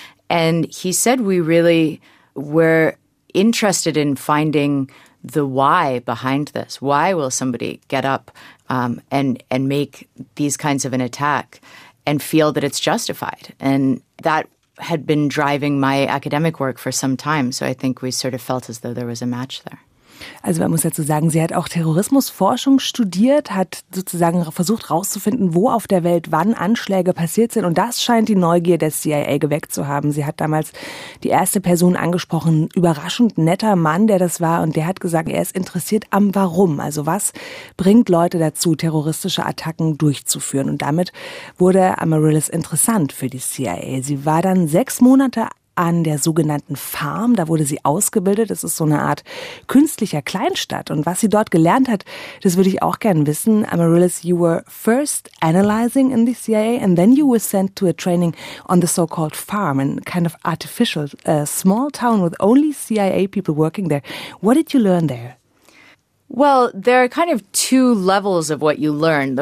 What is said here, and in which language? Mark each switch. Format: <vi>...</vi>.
<en>And he said we really were interested in finding the why behind this. Why will somebody get up and make these kinds of an attack and feel that it's justified? And that had been driving my academic work for some time. So I think we sort of felt as though there was a match there.</en> <de>Also man muss dazu sagen, sie hat auch Terrorismusforschung studiert, hat sozusagen versucht rauszufinden, wo auf der Welt wann Anschläge passiert sind. Und das scheint die Neugier der CIA geweckt zu haben. Sie hat damals die erste Person angesprochen, überraschend netter Mann, der das war. Und der hat gesagt, er ist interessiert am Warum. Also was bringt Leute dazu, terroristische Attacken durchzuführen? Und damit wurde Amaryllis interessant für die CIA. Sie war dann 6 Monate an der sogenannten Farm, da wurde sie ausgebildet. Das ist so eine Art künstlicher Kleinstadt. Und was sie dort gelernt hat, das würde ich auch gerne wissen.</de> <en>Amaryllis, you were first analyzing in the CIA and then you were sent to a training on the so-called farm, a kind of artificial, a small town with only CIA people working there. What did you learn there? Well, there are kind of 2 levels of what you learn.</en>